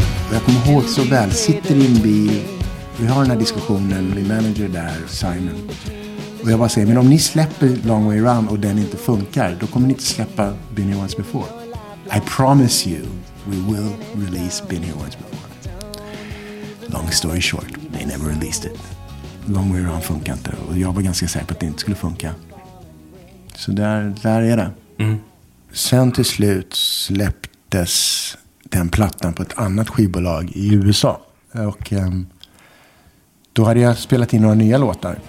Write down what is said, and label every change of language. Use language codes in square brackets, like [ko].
[sv] Och jag kommer ihåg så väl, sitter i en bil, vi har den här diskussionen, min manager där, Simon. Och jag bara säger, men om ni släpper Long Way Around och den inte funkar, då kommer ni inte släppa Been Here Once Before. [en] I promise you, we will release Been Here Once Before. Long story short, they never released it. [sv] Long Way Around funkar inte, och jag var ganska säker på att det inte skulle funka. Så där är det. Mm. Sen till slut släpptes den plattan på ett annat skivbolag i USA. Och då hade jag spelat in några nya låtar.